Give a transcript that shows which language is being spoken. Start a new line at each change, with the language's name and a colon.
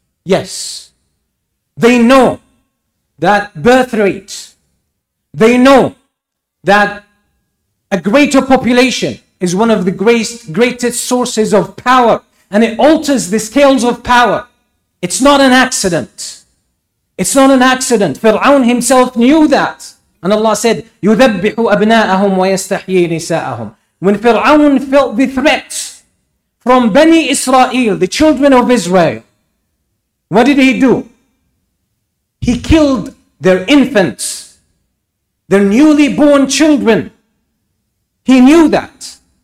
English: Yes, they know that birth rate, they know that a greater population is one of the greatest sources of power, and it alters the scales of power. It's not an accident. It's not an accident. Fir'aun himself knew that. And Allah said,
Arabic: يُذَبِّحُ أَبْنَاءَهُمْ وَيَسْتَحْيِي نِسَاءَهُمْ.
English: When Fir'aun felt the threat from Bani Israel, the children of Israel, what did he do? He killed their infants, their newly born children. He knew that.